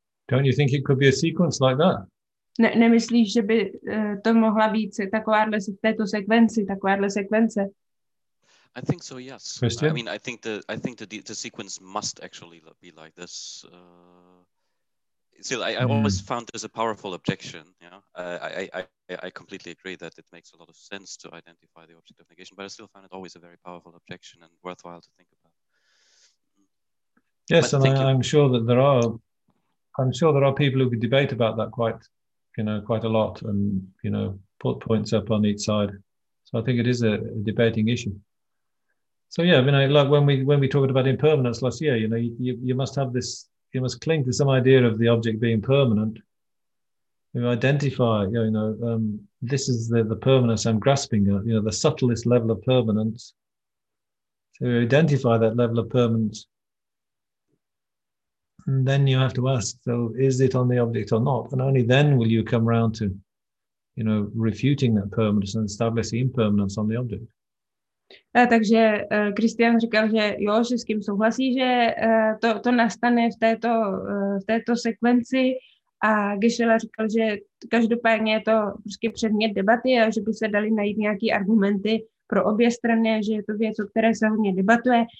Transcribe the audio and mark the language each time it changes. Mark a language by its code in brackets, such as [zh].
[en] Don't you think it could be a sequence like that? [cs] Nemyslíš, že by to mohla být takováhle v této sekvenci, takováhle sekvence? [en] I think so, yes. Christian? I mean, I think the sequence must actually be like this. Still, I always found this a powerful objection. Yeah, I completely agree that it makes a lot of sense to identify the object of negation, but I still found it always a very powerful objection and worthwhile to think about. Yes, but and I'm sure there are people who could debate about that quite a lot, and you know, put points up on each side. So I think it is a debating issue. So yeah, you know, like when we talked about impermanence last year, you know, you must have this. You must cling to some idea of the object being permanent. You identify, this is the permanence I'm grasping at, you know, the subtlest level of permanence. So you identify that level of permanence. And then you have to ask, so is it on the object or not? And only then will you come round to, you know, refuting that permanence and establishing impermanence on the object. [cs] Takže Kristian říkal, že jo, že s kým souhlasí, že to nastane v této sekvenci, a Geshe-la říkal, že každopádně je to prostě předmět debaty a že by se dali najít nějaké argumenty pro obě strany, že je to věc, o které se hodně debatuje.